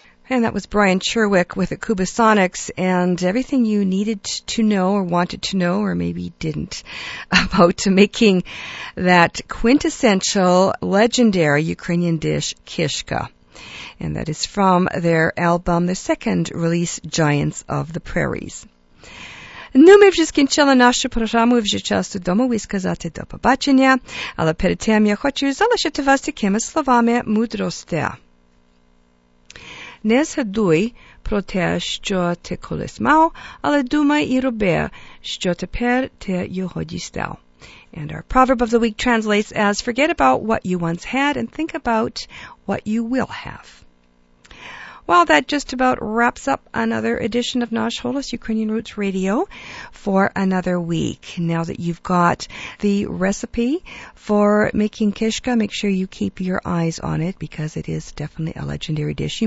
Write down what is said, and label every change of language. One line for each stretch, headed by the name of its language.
English: And that was Brian Cherwick with Akuba Sonics and everything you needed to know or wanted to know or maybe didn't about making that quintessential legendary Ukrainian dish, Keshka. And that is from their album, the second release, Giants of the Prairies.
Ukrainian: Ну, ми вже скінчили нашу програму, вже час додому і сказати до побачення. Але перед тим я хочу залишити вас такими словами мудрості. Не згадуй про те, що ти колись мав, але думай і роби, що тепер ти його дістав.
English: And our proverb of the week translates as, forget about what you once had and think about what you will have. Well, that just about wraps up another edition of Nash Holos, Ukrainian Roots Radio, for another week. Now that you've got the recipe for making kishka, make sure you keep your eyes on it, because it is definitely a legendary dish.